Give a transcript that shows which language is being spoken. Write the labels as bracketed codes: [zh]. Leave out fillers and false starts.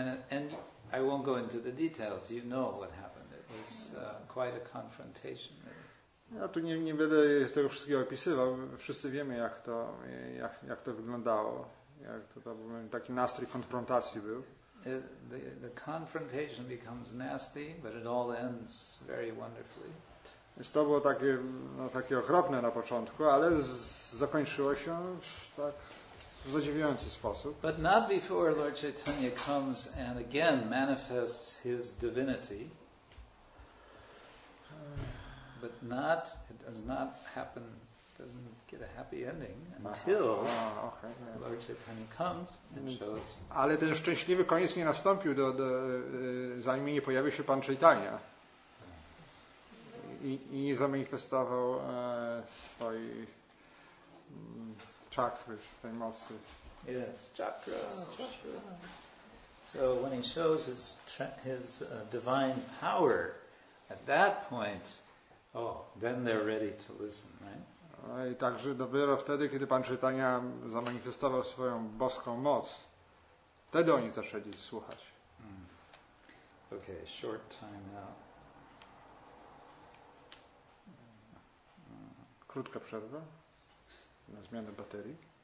[en] And I won't go into the details. You know what happened. It was quite a confrontation. [pl] Ja tu nie będę tego wszystkiego opisywał. Wszyscy wiemy, jak to wyglądało. Jak to był taki nastrój konfrontacji był. [en] The confrontation becomes nasty, but it all ends very wonderfully. [pl] Więc to było takie, no, takie okropne na początku, ale zakończyło się w tak zadziwiający sposób. [en] But not before Lord Chaitanya comes and again manifests his divinity. But not, it does not happen, doesn't get a happy ending until Lord Chaitanya comes and shows. [pl] Ale ten szczęśliwy koniec nie nastąpił do zanim nie pojawił się pan Chaitanya. I nie zamanifestował swojej czakry, tej mocy. [en] Yes, chakra. So when he shows his divine power, at that point, oh, then they're ready to listen, right? [pl] I także dopiero wtedy, kiedy pan Chaitanya zamanifestował swoją boską moc, wtedy oni zaczęli słuchać. [en] Okay, short time out. [pl] Krótka przerwa na zmianę baterii.